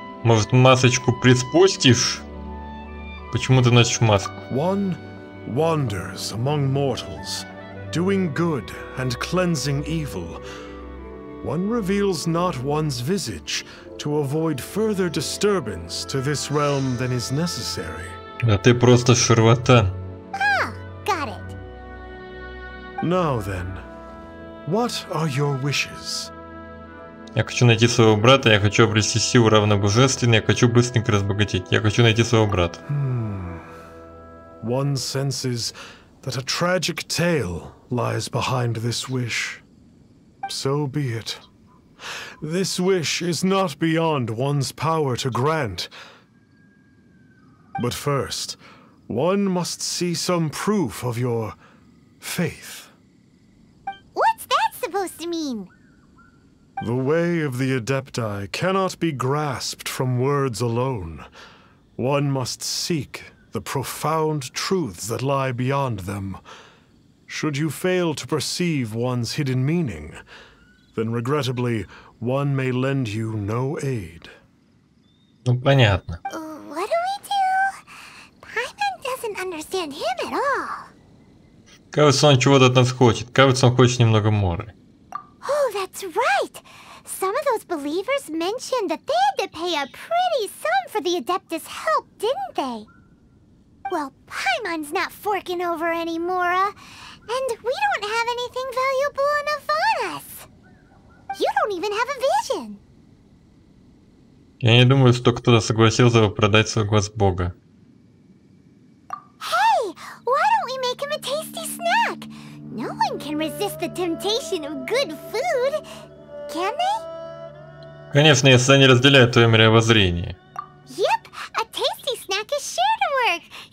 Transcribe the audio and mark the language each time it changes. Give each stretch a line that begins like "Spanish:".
Russian: Может, масочку приспустишь? Почему ты носишь маску?
English: One wanders among mortals, doing good and cleansing evil. One reveals not one's visage to avoid further disturbance to this realm than is necessary.
Russian: А ты просто шарлатан.
English: Ah, got it. Now then, what are your wishes?
Russian: Я хочу найти своего брата, я хочу обрести силу равно божественной, я хочу быстренько разбогатеть. Я хочу найти своего брата.
English: One senses that a tragic tale lies behind this wish. So be it. This wish is not beyond one's power to grant. But first, one must see some proof of your faith. What's that supposed to mean? The way of the Adepti cannot be grasped from words alone. One must seek the profound truths that lie beyond them. Should you fail to perceive one's hidden meaning, then regrettably, one may lend you no aid.
Russian: Ну, понятно.
English: What do we do? Paimon doesn't understand him at all.
Russian: Кажется, он чего-то от нас хочет. Кажется, он хочет немного моры.
English: Oh, that's right! Some of those believers mentioned that they had to pay a pretty sum for the Adeptus' help, didn't they? Well, Paimon's not forking over any mora, and we don't have anything valuable enough on us. You don't even have a vision.
Russian: Я не думаю, что кто-то согласился продать свой глаз Бога.
English: Hey, why don't we make him a tasty snack? No one can resist the temptation of good food. Can they?
Russian: Конечно, если они разделяют твое мировоззрение.
English: Yep, a tasty snack is sure to work.